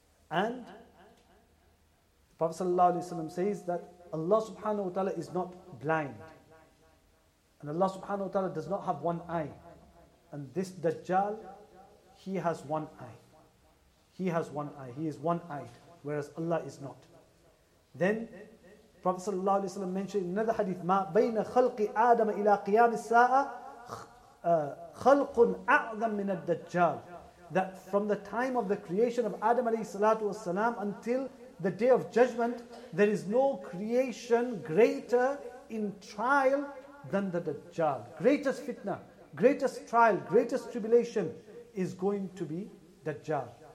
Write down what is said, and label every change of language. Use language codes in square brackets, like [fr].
[en] And the Prophet sallallahu alaihi wasallam says that Allah subhanahu wa ta'ala is not blind. And Allah subhanahu wa ta'ala does not have one eye. And this Dajjal, he has one eye. He has one eye. He is one-eyed, whereas Allah is not. Then Prophet sallallahu alaihi wasallam mentioned in another hadith, [ar] ما بين خلق آدم إلى قيام الساعة خلق أعظم من الدجال. [en] That from the time of the creation of Adam alayhi salatu wasalam until the day of judgment, there is no creation greater in trial than the Dajjal. Greatest fitna, greatest trial, greatest tribulation is going to be Dajjal.